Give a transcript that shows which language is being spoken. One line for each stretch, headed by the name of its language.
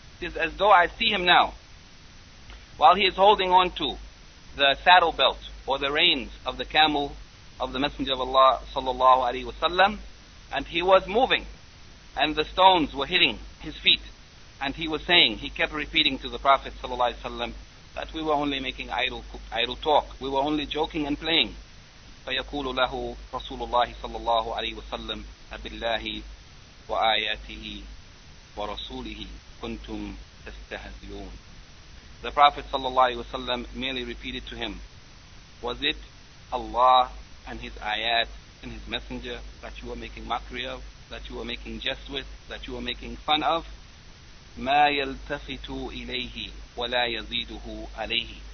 English: It is as though I see him now, while he is holding on to the saddle belt or the reins of the camel of the Messenger of Allah sallallahu alaihi wasallam, and he was moving, and the stones were hitting his feet, and he was saying, he kept repeating to the Prophet sallallahu alaihi wasallam, that we were only making idle talk, we were only joking and playing.
Arabic: فيقول له رسول الله صلى الله عليه وسلم أبالله وآياته ورسوله كنتم تستهزئون.
English: The Prophet صلى الله عليه وسلم merely repeated to him, was it Allah and His ayat and His messenger that you were making mockery of, that you were making jest with, that you were making fun of?
Arabic: ما يلتفت إليه ولا يزيده عليه.